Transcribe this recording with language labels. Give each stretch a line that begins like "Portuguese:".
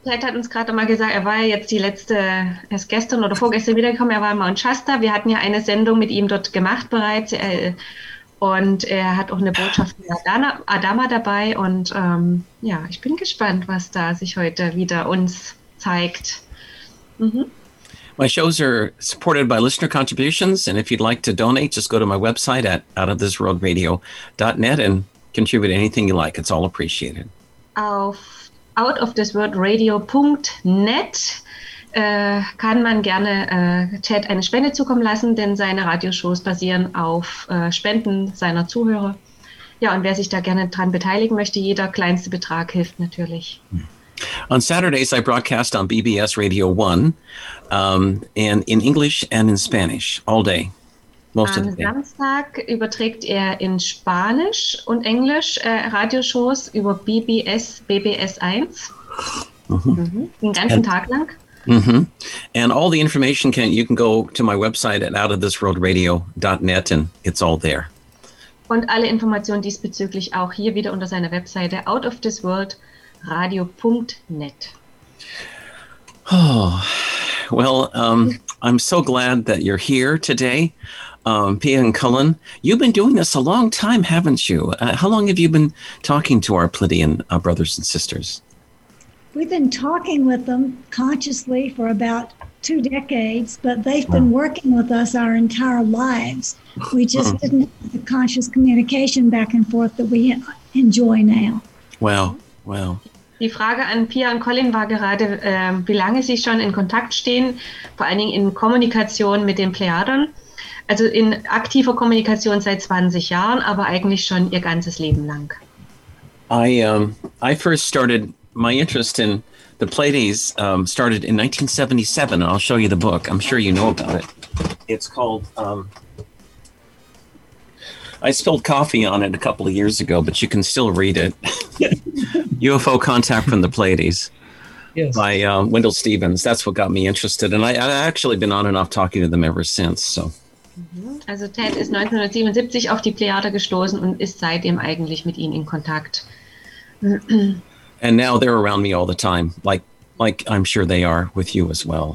German: Ted hat uns gerade mal gesagt, er war ja jetzt gestern oder vorgestern wiedergekommen, er war in Mount Shasta. Wir hatten ja eine Sendung mit ihm dort gemacht bereits. Und er hat auch eine Botschaft von Adama dabei. Und ja, ich bin gespannt, was da sich heute wieder uns zeigt.
English: My shows are supported by listener contributions. And if you'd like to donate, just go to my website at outofthisworldradio.net and contribute anything you like. It's all appreciated.
German: Outofthisworldradio.net kann man gerne Ted eine Spende zukommen lassen, denn seine Radioshows basieren auf Spenden seiner Zuhörer. Ja, und wer sich da gerne dran beteiligen möchte, jeder kleinste Betrag hilft natürlich.
English: On Saturdays, I broadcast on BBS Radio 1 and in English and in Spanish all day. Most of the day.
German: Samstag überträgt er in Spanisch und Englisch Radioshows über BBS, BBS 1, den ganzen Tag lang. Mm-hmm.
English: And all the information, you can go to my website at outofthisworldradio.net and it's all there.
German: Und alle Informationen diesbezüglich auch hier wieder unter seiner Webseite outofthisworldradio.net.
English: Oh, well, I'm so glad that you're here today. Pia and Cullen, you've been doing this a long time, haven't you? How long have you been talking to our Pleiadian brothers and sisters? We've been talking with them consciously for about 2 decades, but they've been working with us our entire lives. We just didn't have the conscious communication back and forth that we enjoy now. Well.
German: Die Frage an Pia und Colin war gerade, wie lange sie schon in Kontakt stehen, vor allen Dingen in Kommunikation mit den Plejadern. Also in aktiver Kommunikation seit 20 Jahren, aber eigentlich schon ihr ganzes Leben lang.
English: I first started my interest in the Pleiades started in 1977. And I'll show you the book. I'm sure you know about it. It's called I spilled coffee on it a couple of years ago, but you can still read it. UFO Contact from the Pleiades, yes. By Wendell Stevens. That's what got me interested. And I've actually been on and off talking to them ever since. So.
German: Also Ted ist 1977 auf die Plejade gestoßen und ist seitdem eigentlich mit ihnen in Kontakt.
English: And now they're around me all the time, like I'm sure they are with you as well.